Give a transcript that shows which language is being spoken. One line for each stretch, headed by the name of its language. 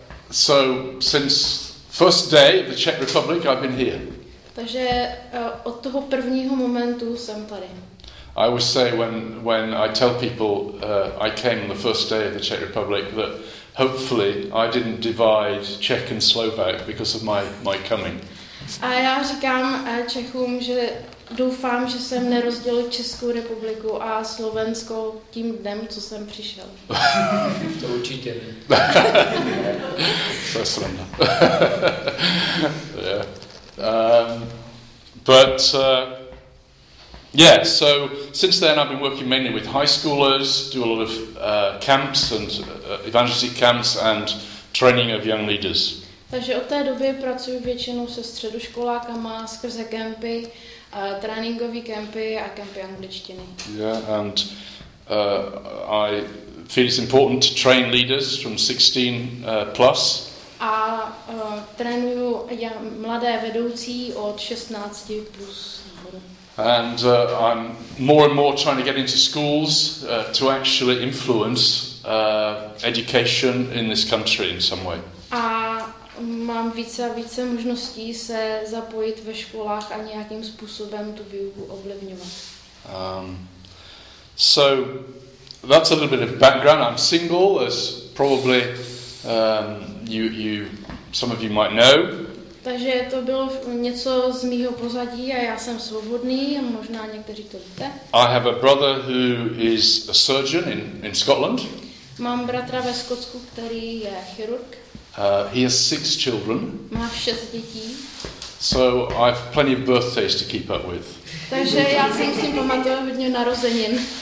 English: So since first day of the Czech Republic, I've been here.
Czech: Takže od toho prvního momentu jsem tady.
English: I always say when I tell people I came on the first day of the Czech Republic that hopefully I didn't divide Czech and Slovak because of my coming.
Czech: A já říkám Čechům, že doufám, že jsem nerozdělil Českou republiku a Slovensko tím dnem, co jsem přišel. To určitě ne. To je sranda.
English: Yeah. Yeah, so since then I've been working mainly with high schoolers, do a lot of camps and evangelism camps and training of young leaders.
Czech: Takže od té doby pracuji většinou se středoškolákama skrze kempy, tréninkové kempy a kempy angličtiny.
English: Yeah, and I feel it's important to train leaders from 16 plus.
Czech: A trénuju mladé vedoucí od 16 plus.
English: And I'm more and more trying to get into schools to actually influence education in this country in some way.
Czech: A mám více a více možností se zapojit ve školách a nějakým způsobem tu výuku ovlivňovat.
English: So that's a little bit of background. I'm single, as probably some of you might know.
Czech: Takže to bylo něco z mýho pozadí a já jsem svobodný, možná někteří to víte.
English: I have a brother who is a surgeon in Scotland.
Czech: Mám bratra ve Skotsku, který je chirurg.
English: He has 6 children.
Czech: Má 6 dětí.
English: So I have plenty of birthdays to keep up with.
Czech: Takže já si musím pamatovat hodně narozenin.